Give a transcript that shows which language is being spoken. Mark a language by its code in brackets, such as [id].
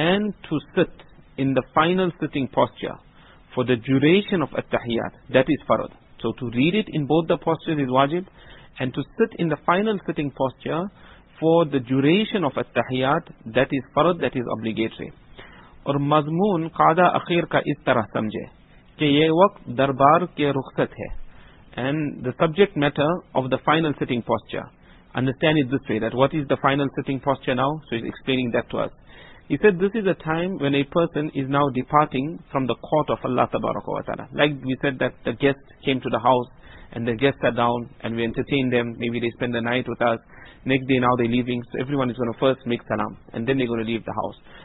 [en] And to sit in the final sitting posture for the duration of at-tahiyyat, that is farz. So to read it in both the postures is wajib, and to sit in the final sitting posture for the duration of at-tahiyyat, that is farz, that is obligatory. [ur] اور مضمون قعدہ اخیر کا اس طرح سمجھے کہ یہ وقت دربار کے رخصت ہے. [en] And the subject matter of the final sitting posture, understand it this way, that what is the final sitting posture now? So he's explaining that to us. He said this is a time when a person is now departing from the court of Allah Tabaraka wa Ta'ala. Like we said that the guest came to the house and the guests are down and we entertain them, maybe they spend the night with us, next day now they're leaving, so everyone is going to first make salam and then they're going to leave the house.